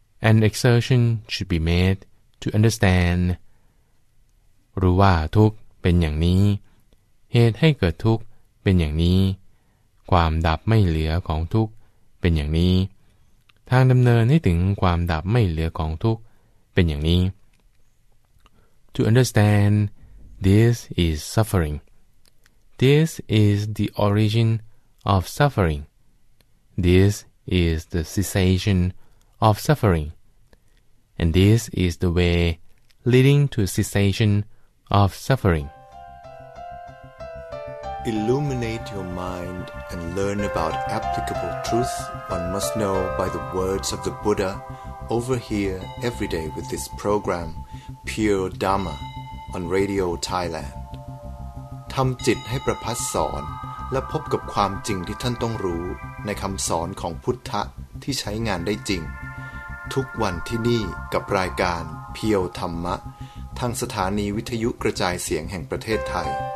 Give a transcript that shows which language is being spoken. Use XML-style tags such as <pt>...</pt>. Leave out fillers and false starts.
<en>an exertion should be made to understand</en> <th>รู้ว่าทุกข์เป็นอย่างนี้เหตุให้เกิดทุกข์เป็นอย่างนี้ความดับไม่เหลือของทุกข์เป็นอย่างนี้ทางดำเนินให้ถึงความดับไม่เหลือของทุกข์เป็นอย่างนี้</th> <en>To understandThis is suffering. This is the origin of suffering. This is the cessation of suffering. And this is the way leading to cessation of suffering. Illuminate your mind and learn about applicable truth one must know by the words of the Buddha over here every day with this program, Pure Dharma. On Radio Thailand</en> <th>ทำจิตให้ประพัสสอนและพบกับความจริงที่ท่านต้องรู้ในคำสอนของพุทธะที่ใช้งานได้จริงทุกวันที่นี่กับรายการเพียวธรรมะทางสถานีวิทยุกระจายเสียงแห่งประเทศไทย</th>